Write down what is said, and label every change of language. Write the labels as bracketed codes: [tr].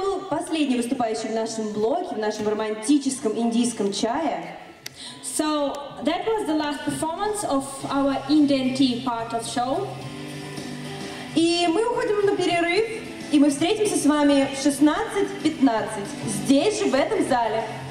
[ru] последний выступающий в нашем блоке, в нашем романтическом индийском чае. [en] So that was the last performance of our Indian tea part of show. [ru] И мы уходим на перерыв, и мы встретимся с вами в 16:15 здесь же в этом зале.